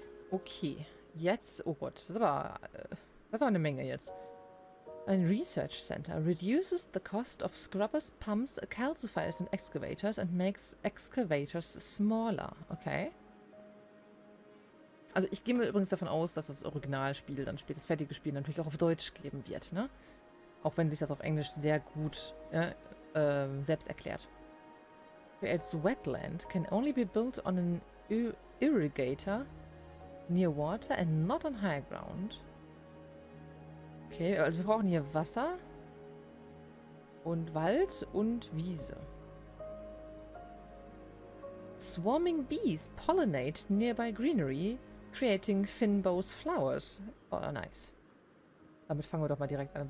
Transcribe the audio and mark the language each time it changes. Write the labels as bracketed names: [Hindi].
[German] Okay. Jetzt. Oh Gott. Das ist aber eine Menge jetzt. [English] Ein Research Center reduces the cost of scrubbers, pumps, calcifiers and excavators and makes excavators smaller. Okay. [German] Also ich gehe mir übrigens davon aus, dass das Originalspiel dann später, das fertige Spiel, natürlich auch auf Deutsch geben wird, ne? Auch wenn sich das auf Englisch sehr gut selbst erklärt. [English] Creates wetland can only be built on an irrigator near water and not on high ground. [German] Okay, also wir brauchen hier Wasser und Wald und Wiese. [English] Swarming bees pollinate nearby greenery. Creating Finbow's Flowers. Oh, nice. [German] Damit fangen wir doch mal direkt an.